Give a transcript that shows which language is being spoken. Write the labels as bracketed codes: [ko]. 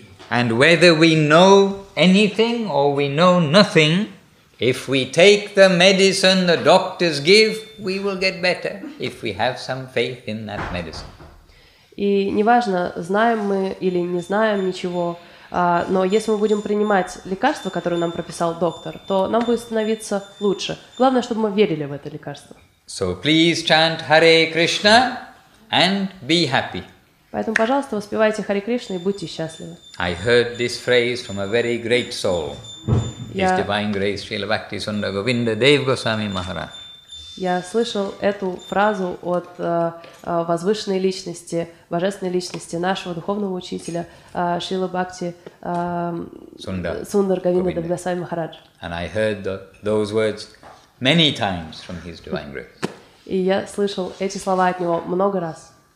[en] And whether we know anything or we know nothing, if we take the medicine the doctors give, we will get better if we have some faith in that medicine. [ru] И неважно, знаем мы или не знаем ничего, но если мы будем принимать лекарство, которое нам прописал доктор, то нам будет становиться лучше. Главное, чтобы мы верили в это лекарство. [en] So please chant Hare Krishna and be happy. [ru] Поэтому, пожалуйста, воспевайте Харе Кришну и будьте счастливы. [en] I heard this phrase from a very great soul. His divine grace, Srila Bhakti Sundar Govinda Dev Goswami Maharaj. [ru] Я слышал эту фразу от возвышенной личности, божественной личности нашего духовного учителя Шрила Бхакти Сундар Говинда Дасгасвами Махарадж. [en] And I heard those words many times from his divine grace. [ru] И я слышал эти слова от него много раз.